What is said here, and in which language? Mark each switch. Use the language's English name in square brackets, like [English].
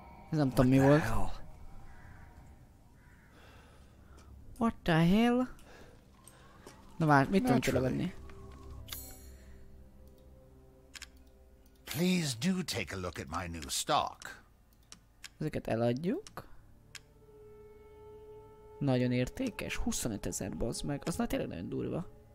[Hungarian] Ez nem tudom mi volt. [English] What the hell? [Hungarian] Na várj, mit tudom tőle venni? [English] Please do take a look at my new stock. [Hungarian] Ezeket eladjuk. Nagyon értékes, 25 000, bazd meg. Az tényleg nagyon durva.